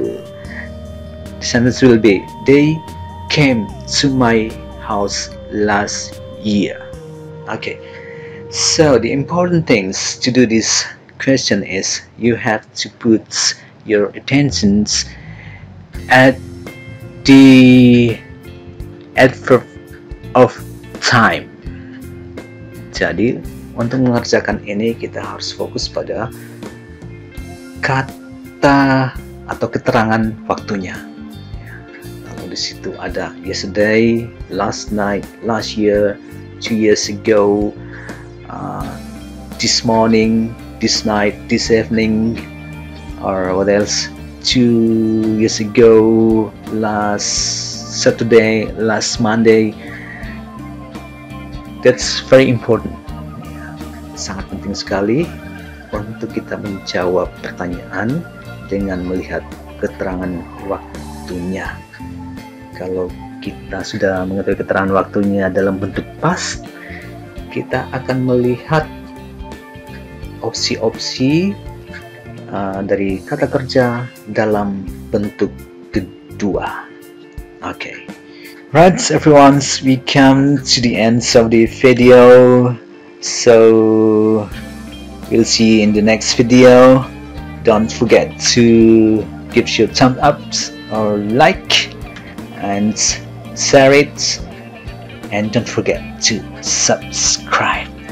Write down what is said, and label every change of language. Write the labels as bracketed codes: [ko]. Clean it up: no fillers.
[en] The sentence will be, they came to my house last year. Okay. So the important things to do this question is you have to put your attentions at the adverb of time. [id] Jadi untuk mengerjakan ini kita harus fokus pada kata atau keterangan waktunya. Lalu di situ ada [en] yesterday, last night, last year, 2 years ago, this morning, this night, this evening, or what else, 2 years ago, last Saturday, last Monday. That's very important. [id] Sangat penting sekali untuk kita menjawab pertanyaan dengan melihat keterangan waktunya. Kalau kita sudah mengetahui keterangan waktunya dalam bentuk past, kita akan melihat opsi-opsi dari kata kerja dalam bentuk kedua. [en] Okay. Right, everyone, we come to the end of the video. So We'll see you in the next video. Don't forget to give your thumbs up or like and share it, and don't forget to subscribe.